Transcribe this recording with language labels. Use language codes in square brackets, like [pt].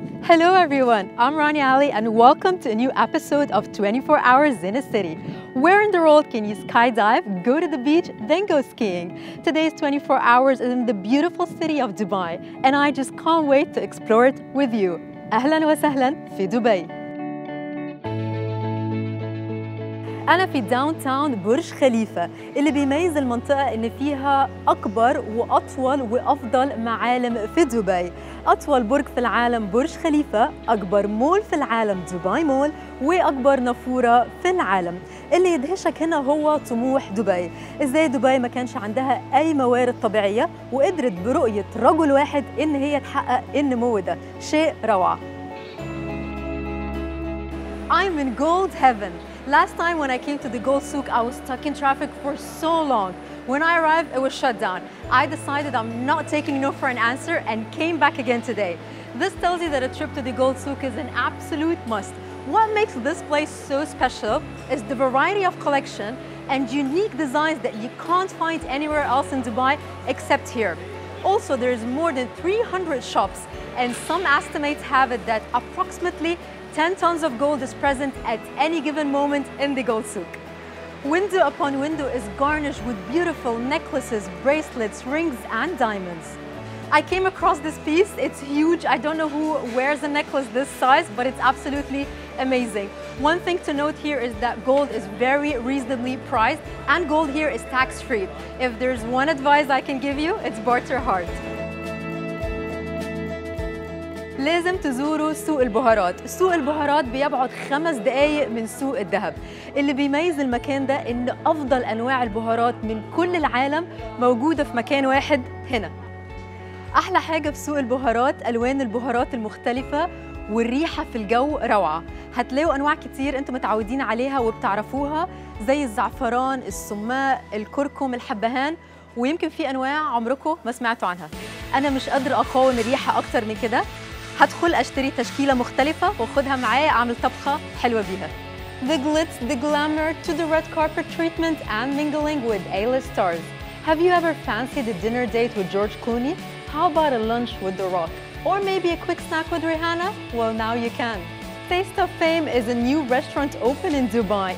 [en] Hello everyone, I'm Rania Ali and welcome to a new episode of 24 Hours in a City. Where in the world can you skydive, go to the beach, then go skiing? Today's 24 Hours is in the beautiful city of Dubai and I just can't wait to explore it with you. [ar] أهلاً وسهلاً في دبي. أنا في داونتاون برج خليفة اللي بيميز المنطقة إن فيها أكبر وأطول وأفضل معالم في دبي. أطول برج في العالم برج خليفة، أكبر مول في العالم دبي مول، وأكبر نافورة في العالم. اللي يدهشك هنا هو طموح دبي، إزاي دبي ما كانش عندها أي موارد طبيعية وقدرت برؤية رجل واحد إن هي تحقق النمو ده، شيء روعة. [en] I'm in gold heaven. Last time when I came to the Gold Souk, I was stuck in traffic for so long. When I arrived, it was shut down. I decided I'm not taking no for an answer and came back again today. This tells you that a trip to the Gold Souk is an absolute must. What makes this place so special is the variety of collection and unique designs that you can't find anywhere else in Dubai except here. Also, there is more than 300 shops and some estimates have it that approximately 10 tons of gold is present at any given moment in the Gold Souk. Window upon window is garnished with beautiful necklaces, bracelets, rings, and diamonds. I came across this piece, it's huge. I don't know who wears a necklace this size, but it's absolutely amazing. One thing to note here is that gold is very reasonably priced, and gold here is tax-free. If there's one advice I can give you, it's barter hard. [ar] لازم تزوروا سوق البهارات. سوق البهارات بيبعد 5 دقايق من سوق الذهب. اللي بيميز المكان ده ان افضل انواع البهارات من كل العالم موجوده في مكان واحد هنا. احلى حاجه في سوق البهارات الوان البهارات المختلفه والريحه في الجو روعه. هتلاقوا انواع كتير انتم متعودين عليها وبتعرفوها زي الزعفران، السماء، الكركم، الحبهان، ويمكن في انواع عمركم ما سمعتوا عنها. انا مش قادره اقاوم الريحه اكتر من كده. هدخل اشتري تشكيله مختلفه واخدها معايا اعمل طبخه حلوه بيها. [en] The glitz, the glamour, to the red carpet treatment and mingling with A-list stars. Have you ever fancied a dinner date with George Clooney? How about a lunch with The Rock? Or maybe a quick snack with Rihanna? Well, now you can. Taste of Fame is a new restaurant open in Dubai.